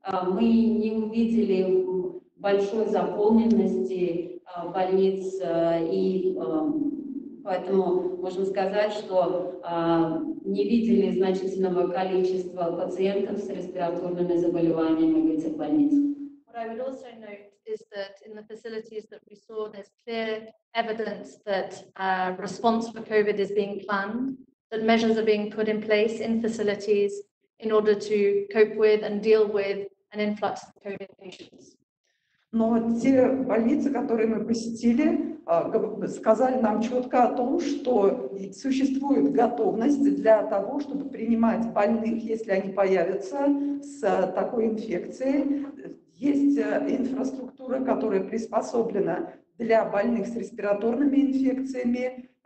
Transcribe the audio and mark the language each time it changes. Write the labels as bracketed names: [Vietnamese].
[Russian] Мы не увидели большой заполненности больниц, и поэтому можем сказать, что не видели значительного количества пациентов с респираторными заболеваниями в этих больницах. [English] What I would also note is that in the facilities that we saw, there's clear evidence that response for COVID is being planned, that measures are being put in place in facilities in order to cope with and deal with an influx of COVID patients. [Russian] Но те больницы, которые мы посетили, сказали нам четко о том, что существует готовность для того, чтобы принимать больных, если они появятся с такой инфекцией. Есть инфраструктура, которая приспособлена для больных с респираторными инфекциями.